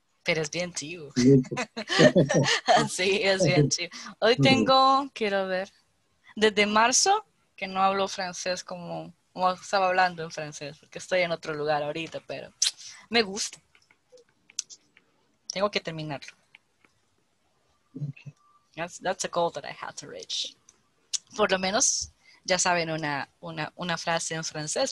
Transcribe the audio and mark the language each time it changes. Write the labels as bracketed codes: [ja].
[es] Pero es bien chivo. Sí, es bien chivo. Hoy tengo, quiero ver, desde marzo que no hablo francés como estaba hablando en francés, porque estoy en otro lugar ahorita, pero me gusta. Tengo que terminarlo. [en] Okay. That's a goal that I have to reach. [es] Por lo menos ya saben una frase en francés.